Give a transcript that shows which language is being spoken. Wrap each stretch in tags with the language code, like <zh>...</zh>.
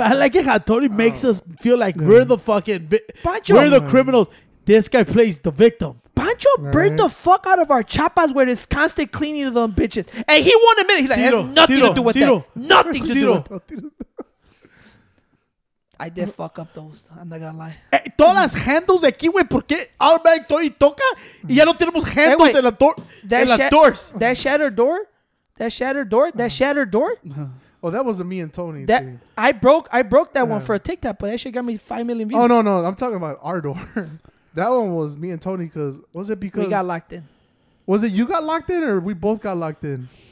<en>But I like it how Tony makes us feel like we're the fucking... We're the criminals. This guy plays the victim. Pancho burnt the fuck out of our chapas where it's constant cleaning of them bitches. And he won't admit it. He's like, Ciro, it has nothing to do with Ciro. That. Nothing Ciro. To do with it. I did fuck up those. I'm not gonna lie.</en> <es>Hey, todas las handles de aquí, güey, porque automatic Tony toca y ya no tenemos handles en la doors.</es> <en>That shattered door? That shattered door? That shattered door? Oh, that was a me and Tony. That thing. I broke that one for a TikTok, but that shit got me 5 million views. Oh no, I'm talking about our door. That one was me and Tony because was it because we got locked in? Was it you got locked in or we both got locked in?</en>